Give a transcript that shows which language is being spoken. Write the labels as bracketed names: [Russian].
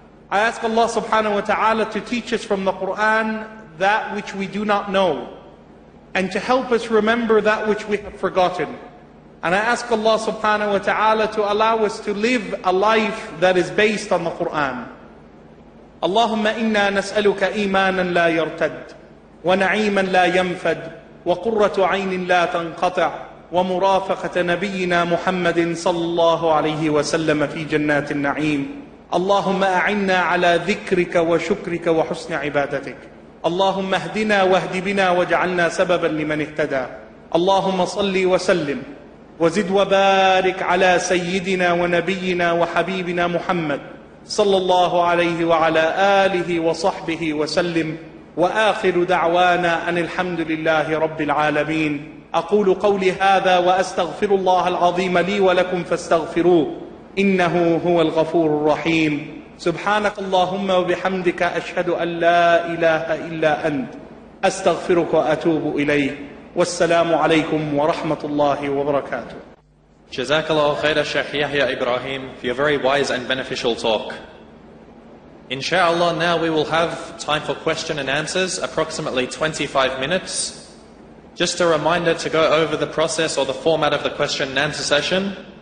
[English] I ask Allah subhanahu wa ta'ala to teach us from the Qur'an that which we do not know, and to help us remember that which we have forgotten. And I ask Allah subhanahu wa ta'ala to allow us to live a life that is based on the Qur'an. [Arabic] اللهم إنا نسألك إيمانا لا يرتد ونعيما لا ينفد وقرة عين لا تنقطع ومرافقة نبينا محمد صلى الله عليه وسلم في جنات النعيم. اللهم أعنا على ذكرك وشكرك وحسن عبادتك. اللهم اهدنا واهد بنا واجعلنا سببا لمن اهتدى. اللهم صلِّ وسلِّم وزد وبارك على سيدنا ونبينا وحبيبنا محمد صلى الله عليه وعلى آله وصحبه وسلم. وآخر دعوانا أن الحمد لله رب العالمين. أقول قولي هذا وأستغفر الله العظيم لي ولكم فاستغفروه إنه هو الغفور الرحيم. سبحانك اللهم وبحمدك أشهد أن لا إله إلا أنت أستغفرك وأتوب إليه. والسلام عليكم ورحمة الله وبركاته. جزاك الله خير الشيخ [English] يحيى إبراهيم for your very wise and beneficial talk. Inshallah, now we will have time for question and answers, approximately 25 minutes. Just a reminder to go over the process or the format of the question and answer session.